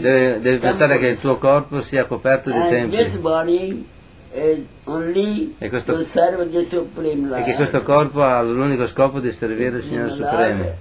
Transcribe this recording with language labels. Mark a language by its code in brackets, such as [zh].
[it] devi pensare che il tuo corpo sia coperto di templi. [en] This body is only [it] e, questo, [en] to serve the Supreme Lord. [it] E che questo corpo ha l'unico scopo di servire il Signore Supremo